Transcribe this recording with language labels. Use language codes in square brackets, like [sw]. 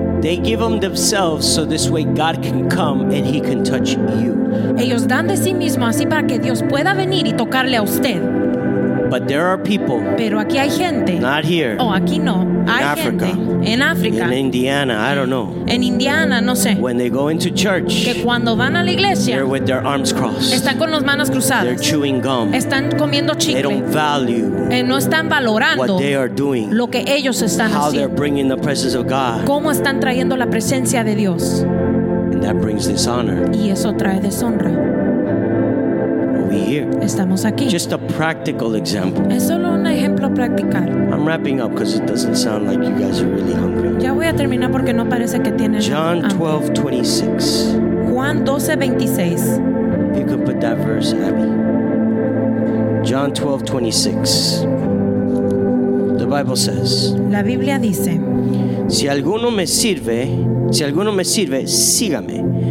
[en] they give of themselves so this way God can come and he can touch you. [es] Ellos dan de sí mismos así para que Dios pueda venir y tocarle a usted. [en] But there are people. [es] Pero aquí hay gente. [en] Not here. [es] Oh, aquí no. [en] In Africa. [es] En África. [en] In Indiana, I don't know. [es] En Indiana, no sé. [en] When they go into church, [es] que cuando van a la iglesia, [en] they're with their arms crossed. [es] Están con las manos cruzadas. [en] They're chewing gum. [es] Están comiendo chicle. [en] They don't value. [es] No están valorando [en] what they are doing. [es] Lo que ellos están [en] how [es] haciendo. [en] They're bringing the presence of God. [es] Cómo están trayendo la presencia de Dios. [en] And that brings dishonor. [es] Y eso trae deshonra. [en] Here. [es] Estamos aquí. [en] Just a practical example. [es] Es solo un ejemplo practical. [en] I'm wrapping up because it doesn't sound like you guys are really hungry. [es] Ya voy a terminar porque no parece que tienen hambre. [en] John 12:26. [es] Juan 12:26. [en] You can put that verse, Abby. John 12:26. The Bible says. [es] La Biblia dice. Si alguno me sirve, sígame.